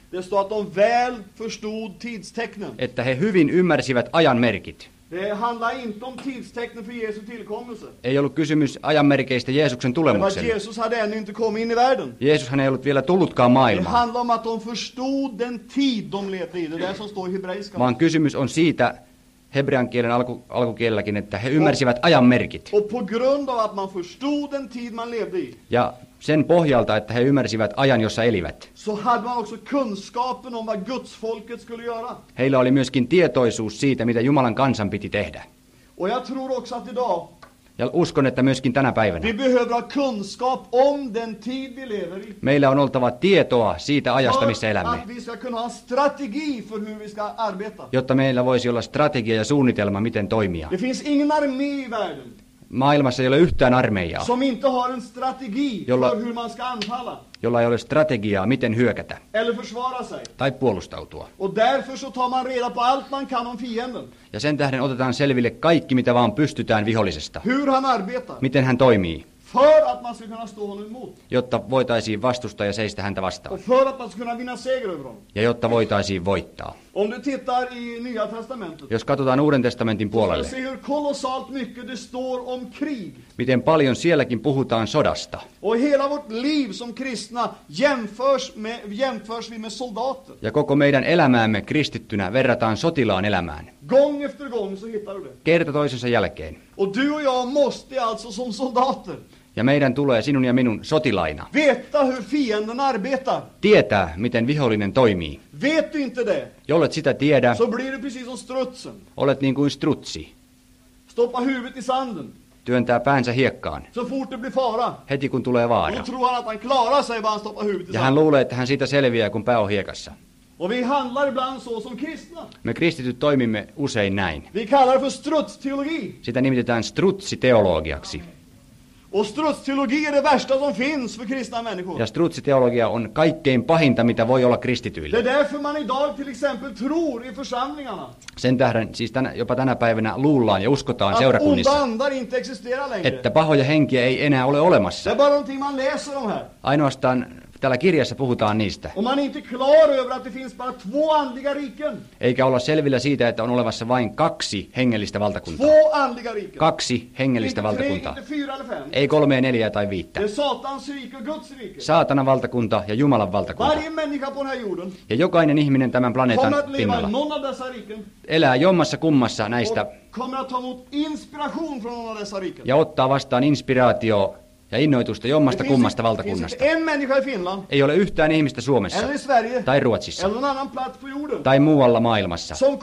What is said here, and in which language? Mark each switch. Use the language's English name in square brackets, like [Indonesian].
[Swedish] Det står att de väl förstod tidstecknen. [Finnish] Että he hyvin ymmärsivät ajan merkit. [Swedish] Det handlar inte om tidstecknen för Jesu tillkommelse. [Finnish] Ei ollut kysymys ajanmerkeistä Jeesuksen tulemukselle. [Swedish] Jesus hade ännu inte kommit in i världen. [Finnish] Jeesus hän ei ollut vielä tullutkaan maailmaan. [Swedish] Det handlar om att de förstod den tid de levde i. Det är som står i hebreiska. [Finnish] Vaan kysymys on siitä hebrean kielen alkukielelläkin, että he ymmärsivät ajan merkit. [Swedish] Och på grund av att man förstod den tid man levde i. [Finnish] Ja sen pohjalta, että he ymmärsivät ajan, jossa elivät. [Swedish] Så hade man också kunskapen om vad Guds folket skulle göra. [Finnish] Heillä oli myöskin tietoisuus siitä, mitä Jumalan kansan piti tehdä. [Swedish] Och jag tror också att idag. [Finnish] Ja uskon, että myöskin tänä päivänä. [Swedish] Vi behöver ha kunskap om den tid vi lever i. [Finnish] Meillä on oltava tietoa siitä ajasta, missä elämme. [Swedish] Att vi ska kunna ha strategi för hur vi ska arbeta. [Finnish] Jotta meillä voisi olla strategia ja suunnitelma, miten toimia. [Swedish] Det finns ingen armé i världen. [Finnish] Maailmassa ei ole yhtään armeijaa. [Swedish] Som inte har en strategi [Finnish] jolla, [Swedish] för hur man ska anfalla. [Finnish] Jolla ei ole strategiaa, miten hyökätä. [Swedish] Eller försvara sig. [Finnish] Tai puolustautua. [Swedish] Och därför så tar man reda på allt man kan om fienden. [Finnish] Ja sen tähden otetaan selville kaikki, mitä vaan pystytään vihollisesta. [Swedish] Hur han arbetar. [Finnish] Miten hän toimii. [Swedish] För att man ska kunna stå honom emot. [Finnish] Jotta voitaisiin vastusta ja seistä häntä vastaan. [Swedish] Och för att man ska kunna vinna seger över honom. [Finnish] Ja jotta voitaisiin voittaa. [Swedish] Om du tittar i Nya testamentet. [Finnish] Jos katsotaan Uuden testamentin puolelle. [Swedish] Så ser hur kolossalt mycket det står om krig. [Finnish] Miten paljon sielläkin puhutaan sodasta. [Swedish] Och hela vårt liv som kristna jämförs vi med soldater. [Finnish] Ja koko meidän elämäämme kristittynä verrataan sotilaan elämään. [Swedish] Gång efter gång så hittar du det. [Finnish] Kerta toisensa jälkeen. [Swedish] Och du och jag måste alltså som soldater. [Finnish] Ja meidän tulee sinun ja minun sotilaina. [Swedish] Veta hur fienden arbetar. [Finnish] Tietää, miten vihollinen toimii. [Swedish] Vet du inte det? [Finnish] Jollet sitä tiedä. [Swedish] Så blir du precis som strutsen. [Finnish] Olet niin kuin strutsi. [Swedish] Stoppa huvudet i sanden. [Finnish] Työntää päänsä hiekkaan. [Swedish] Så fort det blir fara. [Finnish] Heti kun tulee vaara. [Swedish] Och tror han att han klarar sig bara stoppa huvudet i sanden. [Finnish] Ja hän luulee, että hän siitä selviää, kun pää on hiekassa. [Swedish] Och vi handlar ibland så som kristna. [Finnish] Me kristityt toimimme usein näin. [Swedish] Vi kallar det för strutsteologi. [Finnish] Sitä nimitetään strutsiteologiaksi. [Swedish] Och strutsteologi är det värsta som finns för kristna människor. [Finnish] Ja strutsteologi är kaikkein pahinta mitä voi olla kristityille. [Swedish] Det är därför man idag till exempel tror i församlingarna. [Finnish] Sen tähden siis jopa tänä päivänä luullaan ja uskotaan seurakunnissa. [Swedish] Att onda andar inte existerar längre. [Finnish] Että pahoja henkiä ei enää ole olemassa. [Swedish] Det är bara någonting man läser om här. [Finnish] Ainoastaan täällä kirjassa puhutaan niistä. [Swedish] Och man är inte klar över att det finns bara två andliga riken. [Finnish] Eikä olla selvillä siitä, että on olemassa vain kaksi hengellistä valtakuntaa. [Swedish] Två andliga riken. [Finnish] Kaksi hengellistä valtakuntaa. [Swedish] Inte fyra eller fem. [Finnish] Ei kolme, neljä tai viittä. [Swedish] Det är Satans rike och Guds rike. [Finnish] Saatanan valtakunta ja Jumalan valtakunta. [Swedish] Varje människa på den här jorden. [Finnish] Ja jokainen ihminen tämän planeetan pinnalla. [Swedish] Kommer att leva i någon av dessa riken. [Finnish] Elää jommassa kummassa näistä. [Swedish] Kommer att ta emot inspiration från någon av dessa riken. [Finnish] Ja ottaa vastaan inspiraatio. Ja innoitusta jommasta kummasta valtakunnasta. Ei ole yhtään ihmistä Suomessa [Swedish] Sverige, [Finnish] tai Ruotsissa [Swedish] jorden, [Finnish] tai muualla maailmassa,